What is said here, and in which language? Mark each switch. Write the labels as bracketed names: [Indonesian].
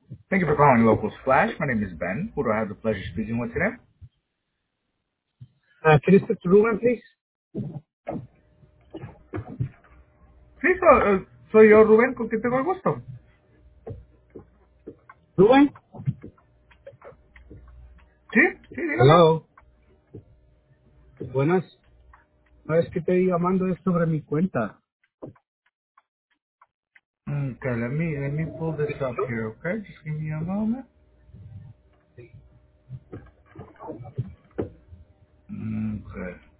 [English] Thank you for calling Local Splash. My name is Ben. Who do I have the pleasure of speaking with today? Can you speak to Ruben, please? [Spanish] Sí, soy yo, Ruben. ¿Con quién tengo el gusto? ¿Ruben? Sí, sí, dígame. [English] Hello. [Spanish] Buenas. No es que te iba llamando sobre mi cuenta. [English] Okay, let me pull this up here, okay? Just give me a moment. Okay.